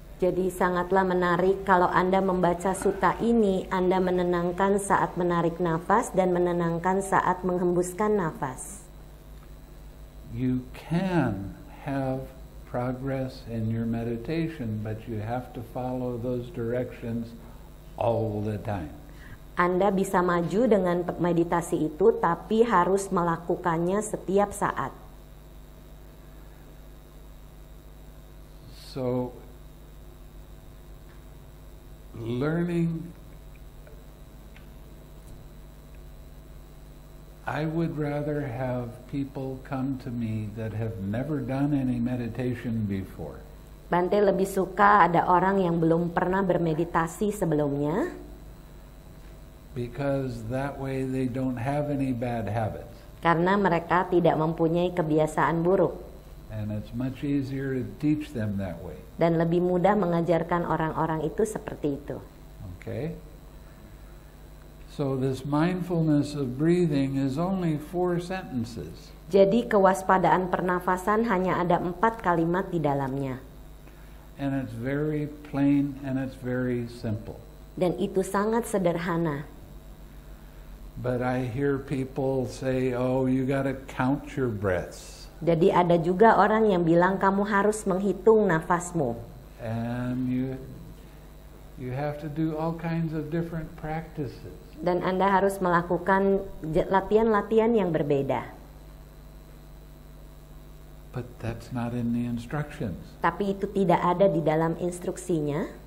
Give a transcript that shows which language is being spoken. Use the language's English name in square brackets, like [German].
[Indonesian] Jadi sangatlah menarik kalau Anda membaca sutta ini, Anda menenangkan saat menarik nafas dan menenangkan saat menghembuskan nafas. [English] You can have progress in your meditation, but you have to follow those directions all the time. [Indonesian] Anda bisa maju dengan meditasi itu, tapi harus melakukannya setiap saat. [English] So, learning, I would rather have people come to me that have never done any meditation before. [Indonesian] Bante lebih suka ada orang yang belum pernah bermeditasi sebelumnya. [English] Because that way they don't have any bad habits. [Indonesian] Karena mereka tidak mempunyai kebiasaan buruk. [English] And it's much easier to teach them that way. [Indonesian] Dan lebih mudah mengajarkan orang-orang itu seperti itu. [English] Okay. So this mindfulness of breathing is only 4 sentences. [Indonesian] Jadi kewaspadaan pernafasan hanya ada 4 kalimat di dalamnya. [English] And it's very plain and it's very simple. [Indonesian] Dan itu sangat sederhana. [English] But I hear people say, "Oh, you gotta count your breaths." [Indonesian] Jadi ada juga orang yang bilang kamu harus menghitung nafasmu. [English] And you have to do all kinds of different practices. [Indonesian] Dan Anda harus melakukan latihan-latihan yang berbeda. [English] But that's not in the instructions. [Indonesian] Tapi itu tidak ada di dalam instruksinya.